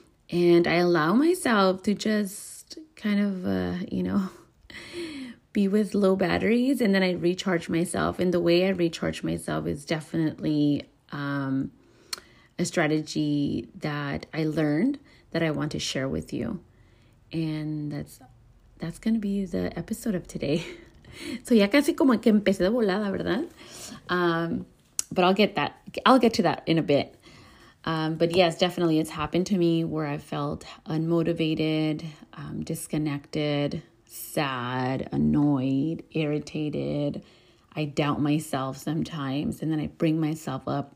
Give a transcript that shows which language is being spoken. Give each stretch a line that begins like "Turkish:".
English: And I allow myself to just kind of, be with low batteries. And then I recharge myself. And the way I recharge myself is definitely a strategy that I learned that I want to share with you. And that's going to be the episode of today. So
Spanish: ya casi como que empecé de volada, ¿verdad?
English: But I'll get to that in a bit. But yes, definitely it's happened to me where I felt unmotivated, disconnected, sad, annoyed, irritated. I doubt myself sometimes and then I bring myself up.